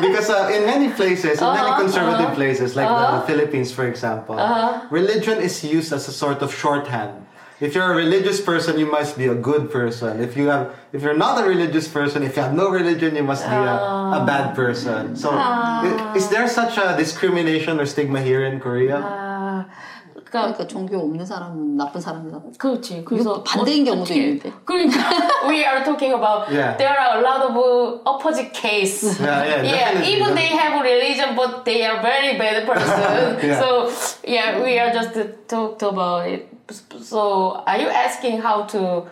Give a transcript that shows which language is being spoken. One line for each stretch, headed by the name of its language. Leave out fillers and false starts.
English: because in many places, in many conservative places, like the Philippines, for example, religion is used as a sort of shorthand. If you're a religious person, you must be a good person. If you're not a religious person, if you have no religion, you must be a bad person. So is there such a discrimination or stigma here in Korea?
Korean: 그러니까 종교 없는 사람은 나쁜 사람이다. 그렇지. 그래서 반대인 경우도 있는데. 그러니까
English: we are talking about there are a lot of opposite case. Yeah, even they have religion, but they are very bad person. So yeah, we are just talked about it. So, are you asking how to?